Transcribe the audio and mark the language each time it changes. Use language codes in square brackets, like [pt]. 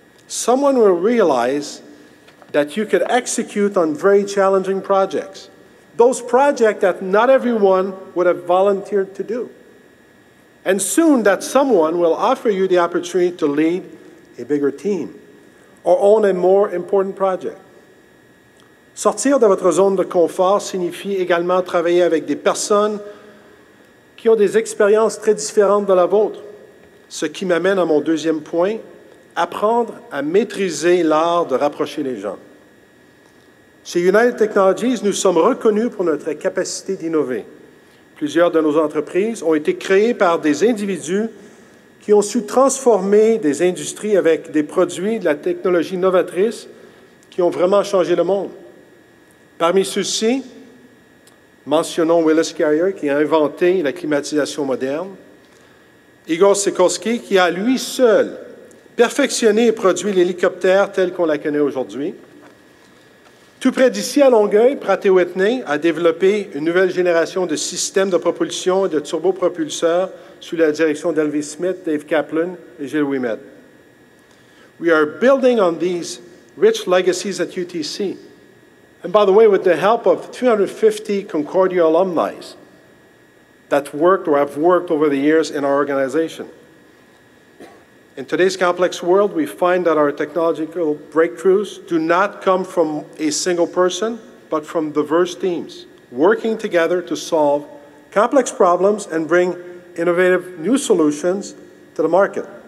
[en] Someone will realize that you could execute on very challenging projects, those projects that not everyone would have volunteered to do. And soon that someone will offer you the opportunity to lead a bigger team or own a more important project. [fr] Sortir de votre zone de confort signifie également travailler avec des personnes qui ont des expériences très différentes de la vôtre. Ce qui m'amène à mon deuxième point, apprendre à maîtriser l'art de rapprocher les gens. Chez United Technologies, nous sommes reconnus pour notre capacité d'innover. Plusieurs de nos entreprises ont été créées par des individus qui ont su transformer des industries avec des produits de la technologie novatrice qui ont vraiment changé le monde. Parmi ceux-ci, mentionnons Willis Carrier qui a inventé la climatisation moderne, Igor Sikorsky qui a lui seul perfectionné et produit l'hélicoptère tel qu'on la connaît aujourd'hui. Tout près d'ici à Longueuil, Pratt Whitney a développé une nouvelle génération de systèmes de propulsion et de turbopropulseurs sous la direction d'Elvis Smith, Dave Kaplan et Gilles Ouimet. [en] We are building on these rich legacies at UTC. And by the way, with the help of 350 Concordia alumni that worked or have worked over the years in our organization. In today's complex world, we find that our technological breakthroughs do not come from a single person, but from diverse teams working together to solve complex problems and bring innovative new solutions to the market.